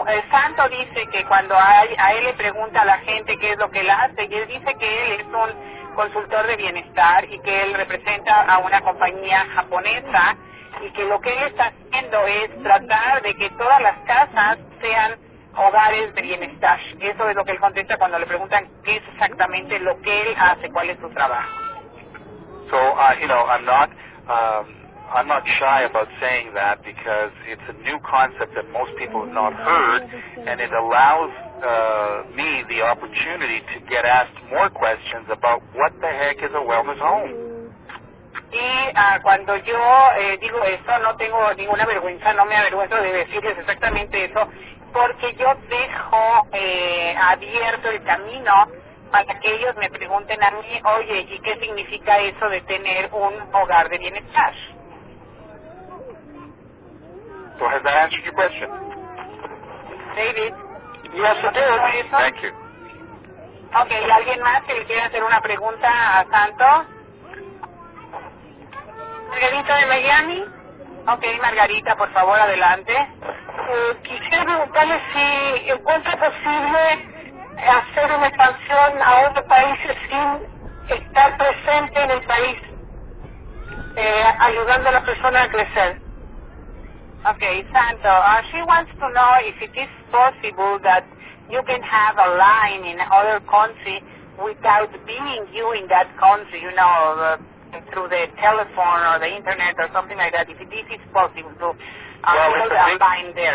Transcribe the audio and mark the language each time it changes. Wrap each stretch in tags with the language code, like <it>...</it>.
<es>Santo dice que cuando a él le pregunta a la gente qué es lo que él hace, y él dice que él es un consultor de bienestar y que él representa a una compañía japonesa, y que lo que él está haciendo es tratar de que todas las casas sean hogares de bienestar. Eso es lo que él contesta cuando le preguntan qué es exactamente lo que él hace, cuál es su trabajo.</es> <en>So, I'm not shy about saying that because it's a new concept that most people have not heard, and it allows me the opportunity to get asked more questions about what the heck is a wellness home.</en> <es>Y cuando yo digo eso, no tengo ninguna vergüenza, no me avergüenzo de decirles exactamente eso, porque yo dejo abierto el camino para que ellos me pregunten a mí, oye, ¿y qué significa eso de tener un hogar de bienestar?</es> <en>So has that answered your question? David. Yes, it did. Thank you.</en> <es>Okay, ¿alguien más que le quiera hacer una pregunta a Santo? Margarita de Miami. Okay, Margarita, por favor, adelante. Quisiera preguntarle si encuentra posible hacer una expansión a otros países sin estar presente en el país, ayudando a la persona a crecer. Okay, Santo.</es> <en>She wants to know if it is possible that you can have a line in other country without being you in that country, you know, through the telephone or the internet or something like that, if it is possible to hold a line there.</en>